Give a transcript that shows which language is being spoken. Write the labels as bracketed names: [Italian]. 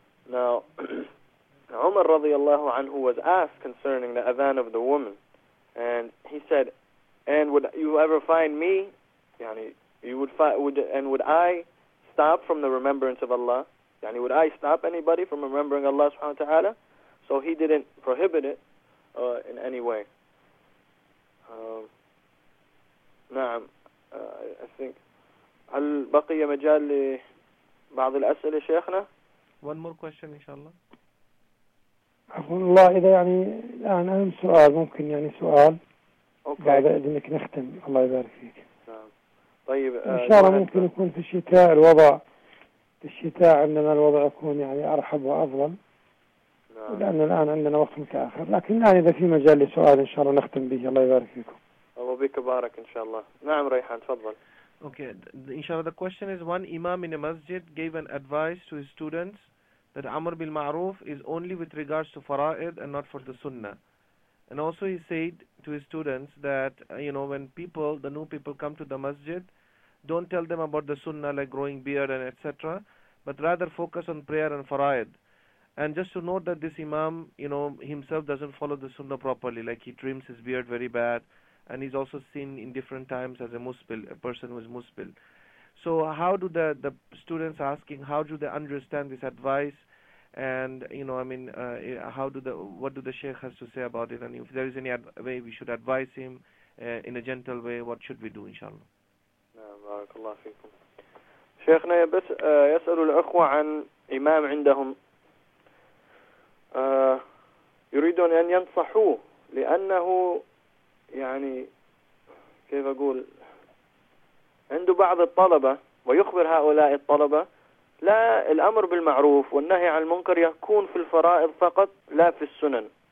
[English] Now, Umar radiallahu anhu was asked concerning the adhan of the woman, and he said, and would you ever find me, yani, would I stop from the remembrance of Allah? Yani, would I stop anybody from remembering Allah subhanahu wa ta'ala? So he didn't prohibit it in any way. [Arabic] نعم [English] I think [Arabic] هل بقي مجال لبعض الأسئلة شيخنا؟ [English] One more question [Arabic] إن شاء الله. أقول الله إذا يعني الآن أهم سؤال ممكن يعني سؤال. [English] Okay. [Arabic] بعد إذنك نختم الله يبارك فيك. نعم. طيب. إن شاء الله ممكن يكون في الشتاء الوضع في الشتاء عندما الوضع يكون يعني أرحب وأفضل. لأن الآن عندنا وقت متأخر لكن الآن إذا في مجال لسؤال إن شاء الله نختم به الله يبارك فيكم الله بك بارك إن شاء الله نعم ريحان تفضل [English] Okay, inshallah, the question is one imam in a masjid gave an advice to his students that Amr bil Ma'ruf is only with regards to fara'id and not for the sunnah. And also he said to his students that, you know, when people, the new people come to the masjid, don't tell them about the sunnah like growing beard and etc., but rather focus on prayer and fara'id. And just to note that this imam, you know, himself doesn't follow the sunnah properly. Like he trims his beard very bad. And he's also seen in different times as a musbil, a person who is musbil. So how do the students asking, how do they understand this advice? And, you know, I mean, what do the sheikh has to say about it? And if there is any way we should advise him in a gentle way, what should we do, inshallah? [Arabic] بارك الله فيكم شيخنا. بس يسأل الأخوة عن إمام عندهم يريدون أن ينصحوه، لأنه يعني كيف أقول، عنده بعض الطلبة ويخبر هؤلاء الطلبة لا الأمر بالمعروف والنهي عن المنكر يكون في الفرائض فقط لا في السنن.